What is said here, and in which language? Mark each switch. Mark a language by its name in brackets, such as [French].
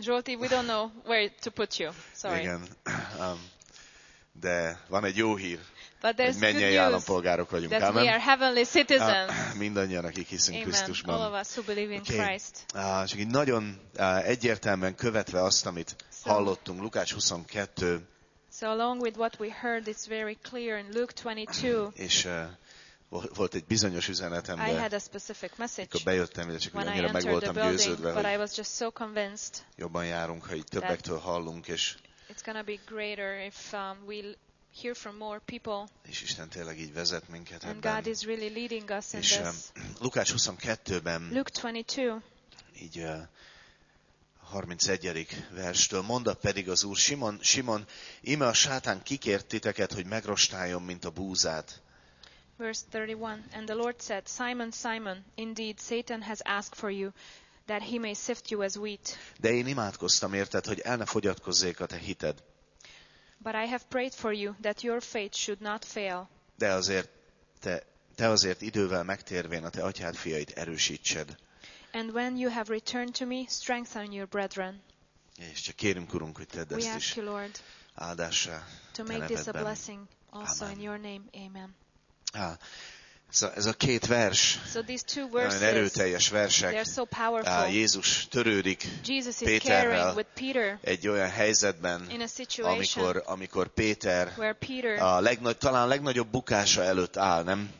[English] Zsolti, we don't know where to put you. Sorry. [Hungarian] Igen. De van egy jó hír. [English] But there's good news. [Hungarian] Állampolgárok vagyunk, [English] that we are heavenly citizens. [Hungarian] Mindannyian, akik hiszünk Krisztusban. [English] All of us who believe in Christ. [Hungarian] Csak így nagyon egyértelműen követve azt, amit hallottunk Lukács 22. [English] So along with what we heard, it's very clear in Luke 22. [Hungarian] És volt egy bizonyos üzenetem, de [English] I had a specific message. [Hungarian] Akkor bejöttem, de csak annyira meg voltam győződve, [English] but I was just so convinced. [Hungarian] Jobban járunk, ha így többektől hallunk, és [English] it's gonna be greater if we hear from more people. [Hungarian] És Isten tényleg így vezet minket ebben. [English] And God is really leading us in this. [Hungarian] Lukács 22-ben. [English] Luke 22. [Hungarian] Így 31. verstől. Mondta pedig az Úr, Simon, Simon, íme a sátán kikért titeket, hogy megrostáljon, mint a búzát. [English] Verse 31. And the Lord said, Simon, Simon, indeed Satan has asked for you, that he may sift you as wheat. [Hungarian] De én imádkoztam érted, hogy el ne fogyatkozzék a te hited. [English] But I have prayed for you, that your faith should not fail. [Hungarian] De azért te azért idővel megtérvén a te atyád fiait erősítsed. [English] And when you have returned to me, strengthen your brethren. [Hungarian] És csak kérünk, Urunk, hogy tedd ezt is. Áldássá. [English] To make this a blessing also in your name. [Hungarian] Amen. Ez a két vers, nagyon erőteljes versek, Jézus törődik Péterrel egy olyan helyzetben, amikor Péter talán legnagyobb bukása előtt áll, nem?